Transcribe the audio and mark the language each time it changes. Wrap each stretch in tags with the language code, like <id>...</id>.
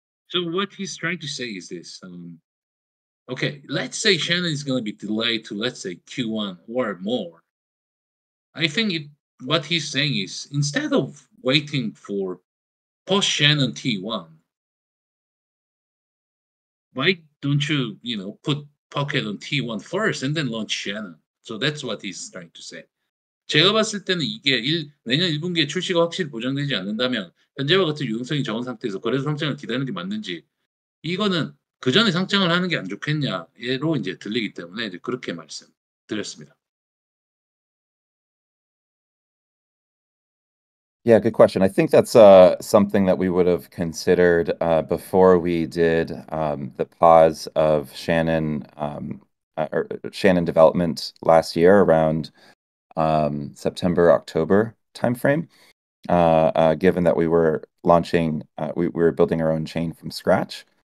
<en>So what he's trying to say is this. Okay, let's say Shannon is going to be delayed to, let's say, Q1 or more. I think what he's saying is instead of waiting for post Shannon T1, why don't you, you know, put Pocket on T1 first and then launch Shannon? So that's what he's trying to say.</en> <ko>제가 봤을 때는 이게 내년 1분기에 출시가 확실히 보장되지 않는다면 현재와 같은 유동성이 적은 상태에서 거래소 상장을 기다리는 게 맞는지 이거는 그 전에 상장을 하는 게 안 좋겠냐로 이제 들리기 때문에 이제 그렇게 말씀드렸습니다.</ko> <en>Yeah, good question. I think that's something that we would have considered before we did the pause of Shannon or Shannon development last year around September, October timeframe, given that we were launching, we were building our own chain from scratch.</en>